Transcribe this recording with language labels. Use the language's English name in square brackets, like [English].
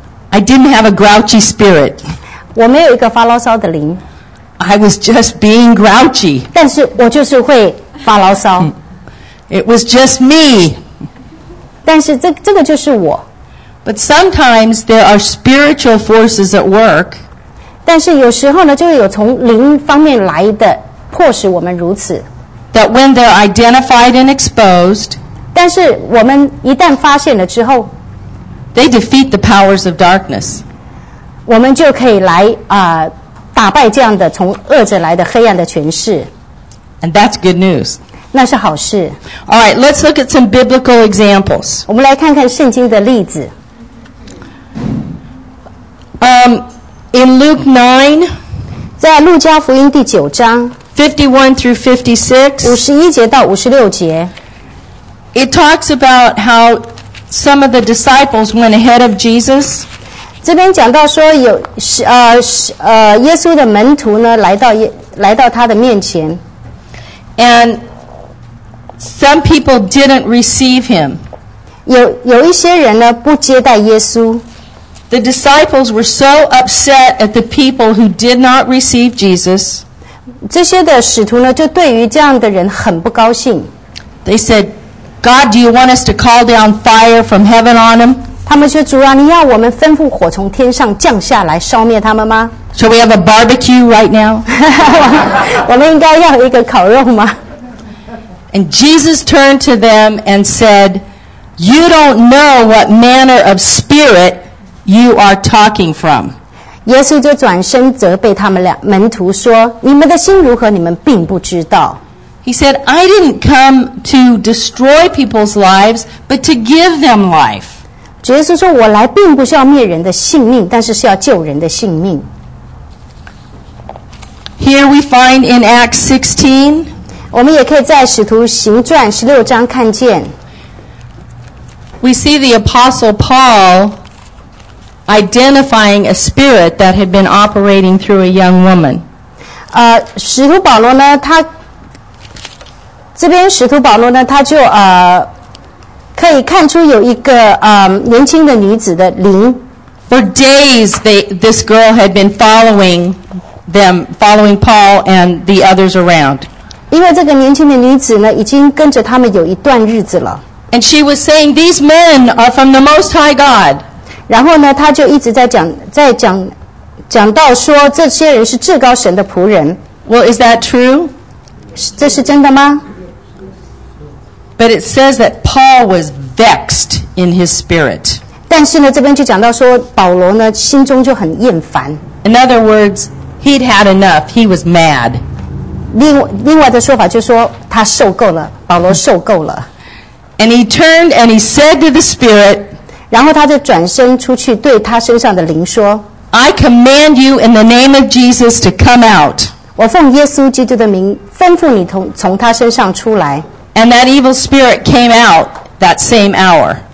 [English] I didn't have a grouchy spirit. [Chinese] 我没有一个发牢骚的灵。 [English] I was just being grouchy. [Chinese] 但是我就是会发牢骚。 [English] It was just me. [Chinese] 但是这个就是我。 [English] But sometimes there are spiritual forces at work. [Chinese] 但是有时候呢，就有从灵方面来的，迫使我们如此。 [English] That when they're identified and exposed， [Chinese] 但是我们一旦发现了之后 [English] ，they defeat the powers of darkness， [Chinese] 我们就可以来打败这样的从恶者来的黑暗的权势。 [English] And that's good news， [Chinese] 那是好事。 [English] All right， let's look at some biblical examples。 [Chinese] 我们来看看圣经的例子。 [English] In Luke 9, [Chinese] 在路加福音第九章 [English] 51 through 56, [Chinese] 51节到56节 [English] it talks about how some of the disciples went ahead of Jesus. [Chinese] 这边讲到说有耶稣的门徒呢来到他的面前 [English] and some people didn't receive him. [Chinese] 有一些人呢不接待耶稣。 [English] The disciples were so upset at the people who did not receive Jesus. [Chinese] 这些的使徒呢，就对于这样的人很不高兴。 [English] They said, "God, do you want us to call down fire from heaven on them?" [Chinese] 他们说，主啊，你要我们吩咐火从天上降下来烧灭他们吗 [English] ？So we have a barbecue right now. [Chinese] 我们应该要一个烤肉吗 [English] ？And Jesus turned to them and said, "You don't know what manner of spirit." You are talking from. [Chinese] 耶稣就转身责备他们两门徒说：“你们的心如何？你们并不知道。” [English] He said, "I didn't come to destroy people's lives, but to give them life." [Chinese] 主耶稣说：“我来并不是要灭人的性命，但是是要救人的性命。” [English] Here we find in Acts 16. [Chinese] 我们也可以在使徒行传十六章看见。 [English] We see the Apostle Paul identifying a spirit that had been operating through a young woman. [Chinese] 使徒保罗呢，他这边使徒保罗呢，他就可以看出有一个年轻的女子的灵。 [English] For days, this girl had been following them, following Paul and the others around. [Chinese] 因为这个年轻的女子呢，已经跟着他们有一段日子了。 [English] And she was saying, "These men are from the Most High God." [Chinese] 然后呢，他就一直在讲到说，这些人是至高神的仆人。 [English] Well, is that true? [Chinese] 这是真的吗？ [English] But it says that Paul was vexed in his spirit. [Chinese] 但是呢，这边就讲到说，保罗呢，心中就很厌烦。 [English] In other words, he'd had enough. He was mad. [Chinese] 另外的说法就是说，他受够了，保罗受够了。 [English] And he turned and he said to the spirit, [Chinese] 然后他就转身出去对他身上的灵说 [English] I command you in the name of Jesus to come out. [Chinese] 我奉耶稣基督的名吩咐你从他身上出来。 [English] And that evil spirit came out that same hour.